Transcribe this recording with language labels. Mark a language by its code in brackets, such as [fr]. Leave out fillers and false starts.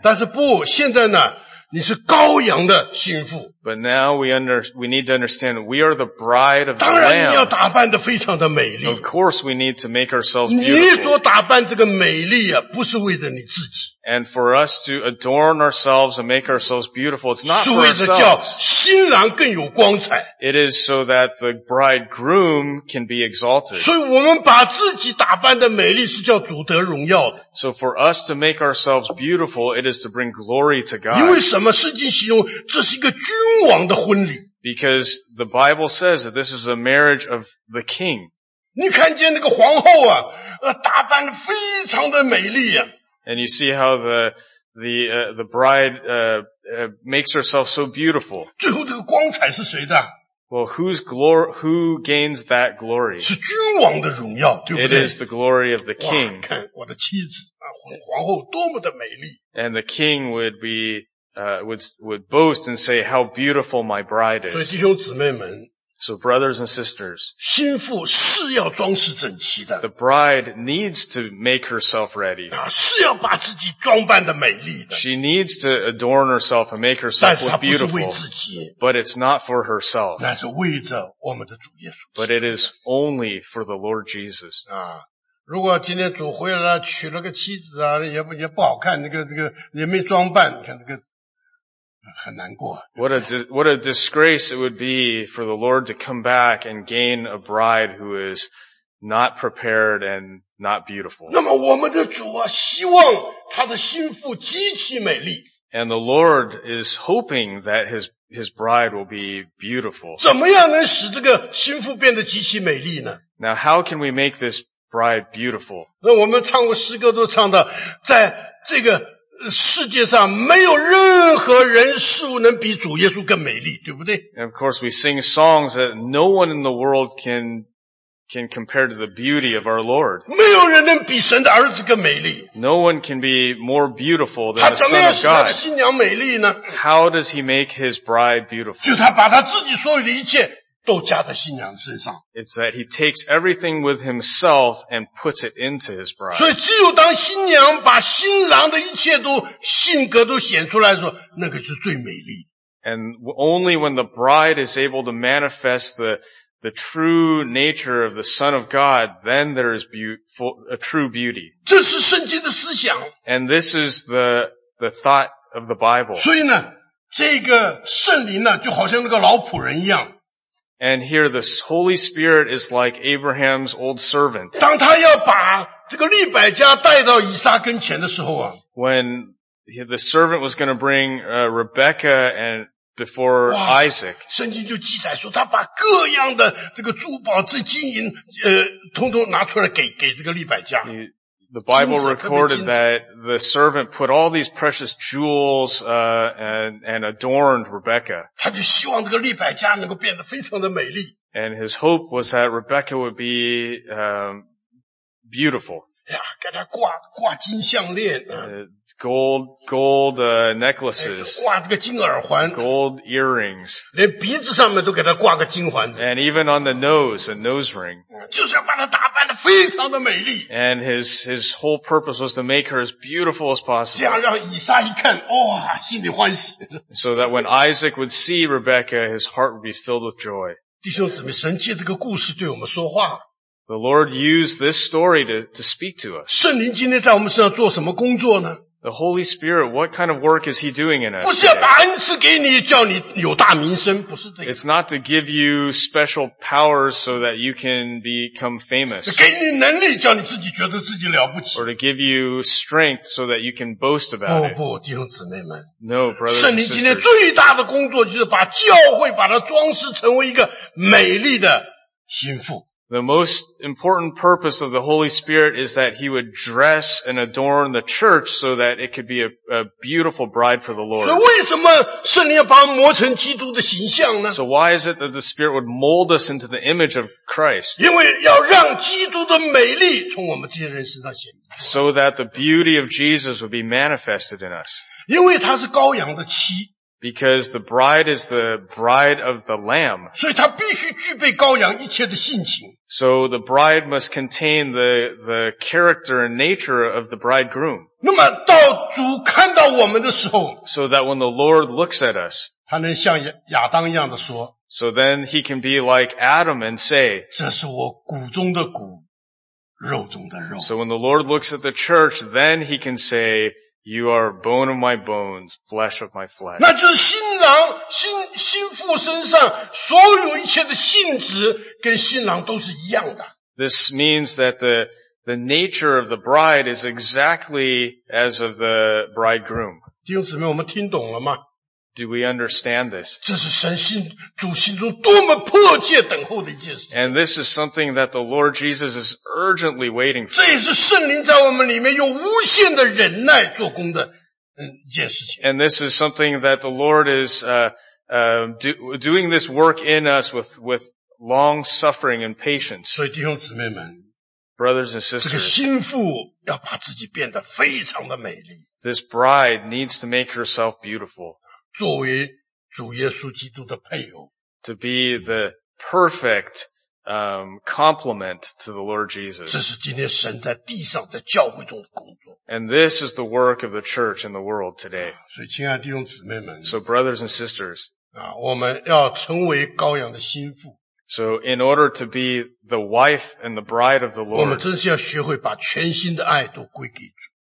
[zh] 但是不，现在呢，你是羔羊的心腹。 [en] But now we need to understand that we are the bride of the lamb. [zh] 当然你要打扮得非常的美丽。 [en] Of course we need to make ourselves beautiful. [zh] 你所打扮这个美丽啊，不是为了你自己。 [en] And for us to adorn ourselves and make ourselves beautiful, it's not for ourselves. [zh] 是为了叫新郎更有光彩。 [en] It is so that the bridegroom can be exalted. [zh] 所以我们把自己打扮的美丽是叫主得荣耀的。 [en] So for us to make ourselves beautiful, it is to bring glory to God. [zh] 因为什么圣经形容这是一个君王的婚礼。 [en] Because the Bible says that this is a marriage of the king. [zh] 你看见那个皇后啊，打扮得非常的美丽啊。 [en] And you see how the bride makes herself so beautiful. [zh] 最后这个光彩是谁的？ [en] Well, whose glory, who gains that glory? [zh] 是君王的荣耀，对不对？ [en] It is the glory of the king. [zh] 哇，看我的妻子啊，皇后多么的美丽。 [en] And the king would be, would boast and say, how beautiful my bride is. [zh] 所以弟兄姊妹们。 [en] So brothers and sisters. [zh] 新妇是要装饰整齐的。 [en] The bride needs to make herself ready. [zh] 啊，是要把自己装扮的美丽的。 [en] She needs to adorn herself and make herself look beautiful. [zh] 但是她不是为自己。 [en] But it's not for herself. [zh] 那是为着我们的主耶稣基督。 [en] But it is only for the Lord Jesus. [zh] 啊，如果今天主回来了，娶了个妻子啊，也不好看，那个也没装扮，你看这个。很难过。 [en] What a disgrace it would be for the Lord to come back and gain a bride who is not prepared and not beautiful. [zh] 那么我们的主啊，希望他的新妇极其美丽。 [en] And the Lord is hoping that his bride will be beautiful. [zh] 怎么样能使这个新妇变得极其美丽呢？ [en] Now how can we make this bride beautiful? [zh] 那我们唱过诗歌都唱到在这个世界上没有任何人事物能比主耶稣更美丽，对不对？ [en] And of course we sing songs that no one in the world can compare to the beauty of our Lord. [zh] 没有人能比神的儿子更美丽。 [en] No one can be more beautiful than the Son of God. [zh] 他怎么样使他的新娘美丽呢？ [en] How does he make his bride beautiful? [zh] 就他把他自己所有的一切都加在新娘身上。 [en] It's that he takes everything with himself and puts it into his bride. [zh] 所以只有当新娘把新郎的一切都性格都显出来的时候，那个是最美丽。 [en] And only when the bride is able to manifest the true nature of the Son of God, then there is a true beauty. [zh] 这是圣经的思想。 [en] And this is the thought of the Bible. [zh] 所以呢，这个圣灵呢，就好像那个老仆人一样。 [en] And here the Holy Spirit is like Abraham's old servant. [zh] 当他要把这个利百加带到以撒跟前的时候啊。 [en] When the servant was going to bring Rebecca and before Isaac. [zh] 圣经就记载说他把各样的这个珠宝这金银通通拿出来给这个利百加。 [en] The Bible recorded that the servant put all these precious jewels, and adorned Rebecca. [zh] 他就希望这个利百加能够变得非常的美丽。 [en] And his hope was that Rebecca would be, beautiful. [zh] 呀，给他挂金项链。 [en] Gold necklaces. [zh] 挂这个金耳环。 [en] Gold earrings. [zh] 连鼻子上面都给他挂个金环子。 [en] And even on the nose, a nose ring. [zh] 就是要把他打扮得非常的美丽。 [en] And his whole purpose was to make her as beautiful as possible. [zh] 这样让以撒一看，哇，心里欢喜。 [en] So that when Isaac would see Rebecca, his heart would be filled with joy. [zh] 弟兄姊妹，神借这个故事对我们说话。 [en] The Lord used this story to speak to us. [zh] 圣灵今天在我们身上做什么工作呢？ [en] The Holy Spirit, what kind of work is He doing in us? [zh] 不是要把恩赐给你，叫你有大名声，不是这个。 [en] It's not to give you special powers so that you can become famous. [zh] 给你能力，叫你自己觉得自己了不起。 [en] Or to give you strength so that you can boast about it. [zh] 不，弟兄姊妹们。 [en] No, brothers and sisters. [zh] 圣灵今天最大的工作就是把教会把它装饰成为一个美丽的心腹。 [en] The most important purpose of the Holy Spirit is that He would dress and adorn the church so that it could be a beautiful bride for the Lord. [zh] 所以为什么圣灵要把我们磨成基督的形象呢？ [en] So why is it that the Spirit would mold us into the image of Christ? [zh] 因为要让基督的美丽从我们这些人身上显明。 [en] So that the beauty of Jesus would be manifested in us. [zh] 因为他是羔羊的妻。 [en] Because the bride is the bride of the Lamb. [zh] 所以他必须具备羔羊一切的性情。 [en] So the bride must contain the character and nature of the bridegroom. [zh] 那么到主看到我们的时候。 [en] So that when the Lord looks at us. [zh] 他能像亚当一样的说。 [en] So then he can be like Adam and say. [zh] 这是我骨中的骨，肉中的肉。 [en] So when the Lord looks at the church, then he can say,You are bone of my bones, flesh of my flesh. [zh] 那就是新郎、新妇身上所有一切的性质跟新郎都是一样的。 [en] This means that the nature of the bride is exactly as of the bridegroom. [zh] 弟兄姊妹，我们听懂了吗？ [en] Do we understand this? [zh] 这是神心主心中多么迫切等候的一件事。 [en] And this is something that the Lord Jesus is urgently waiting for. [zh] 这也是圣灵在我们里面用无限的忍耐做工的件事情。 [en] And this is something that the Lord is doing this work in us with long suffering and patience. [zh] 所以弟兄姊妹们。 [en] Brothers and sisters, [zh] 这个心腹要把自己变得非常的美丽。 [en] This bride needs to make herself beautiful. [zh] 作为主耶稣基督的配偶。 [en] To be the perfect, complement to the Lord Jesus. [zh] 这是今天神在地上在教会中的工作。 [en] And this is the work of the church in the world today. [zh] 所以亲爱的弟兄姊妹们。 [en] So brothers and sisters, [zh] 我们要成为羔羊的心腹。 [en] So in order to be the wife and the bride of the Lord, [zh] 我们真是要学会把全心的爱都归给主。